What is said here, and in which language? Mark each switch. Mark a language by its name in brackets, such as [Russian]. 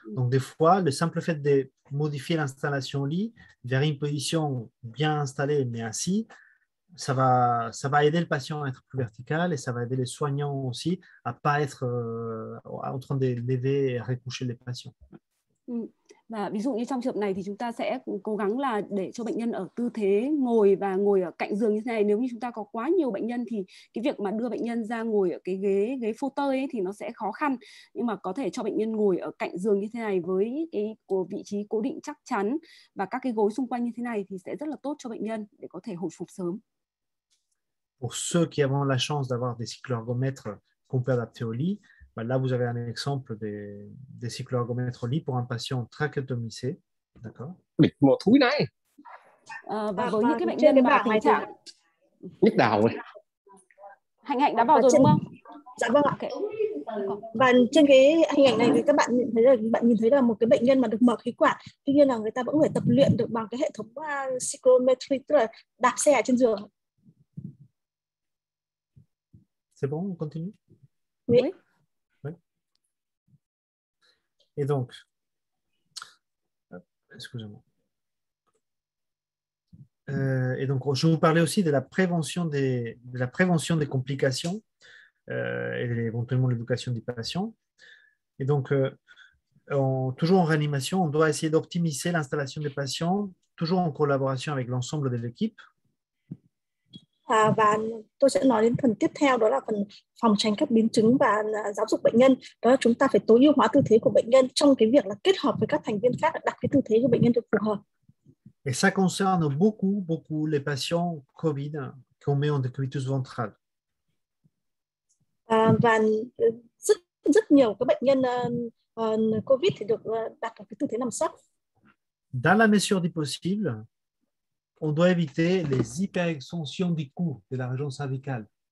[French] Donc, des fois, le simple fait de modifier l'installation au lit vers une position bien installée, mais assise, ça va aider le patient à être plus vertical et ça va aider les soignants aussi à ne pas être en train de lever et recoucher les patients. [Vietnamese] Và ví dụ như trong trường hợp này thì chúng ta sẽ cố gắng là để cho bệnh nhân ở tư thế ngồi và ngồi ở cạnh giường như thế này. Nếu như chúng ta có quá nhiều bệnh nhân thì cái việc mà đưa bệnh nhân ra ngồi ở cái ghế phô tơ ấy thì nó sẽ khó khăn. Nhưng mà có thể cho bệnh nhân ngồi ở cạnh giường như thế này với cái vị trí cố định chắc chắn và các cái gối xung quanh như thế này thì sẽ rất là tốt cho bệnh nhân để có thể hồi phục sớm. [French] Pour ceux qui ont la chance d'avoir des cycloergomètres qu'on peut adapter au lit, ben là, vous avez un exemple des cycloergomètres au lit pour un patient trachéotomisé. D'accord. [Vietnamese] Bịt một túi này. Và với những cái bệnh nhân mà tình trạng nhức đầu ấy. Hạnh Hạnh đã vào rồi đúng không? Dạ vâng ạ. Okay. Và trên cái hình ảnh này thì các bạn nhìn thấy là một cái bệnh nhân mà được mở khí quản, tuy nhiên là người ta vẫn phải tập luyện được bằng cái hệ thống cyclometry, tức là đạp xe trên giường. [French] C'est bon, on continue? Oui. Oui. Et donc, excusez-moi. Et donc, je vous parlais aussi de la prévention des complications et éventuellement l'éducation des patients. Et donc, toujours en réanimation, on doit essayer d'optimiser l'installation des patients, toujours en collaboration avec l'ensemble de l'équipe. [Vietnamese] Và tôi sẽ nói đến phần tiếp theo, đó là phần phòng tránh các biến chứng và giáo dục bệnh nhân. Đó là chúng ta phải tối ưu hóa tư thế của bệnh nhân trong cái việc là kết hợp với các thành viên khác, đặt cái tư thế của bệnh nhân được phù hợp. [French] Et ça concerne beaucoup, beaucoup les patients COVID qu'on met en décubitus ventral. [Vietnamese] Và rất, rất nhiều các bệnh nhân COVID thì được đặt ở cái tư thế nằm sấp. [French] Dans la mesure du possible, on doit éviter les hyperextensions du cou de la région cervicale.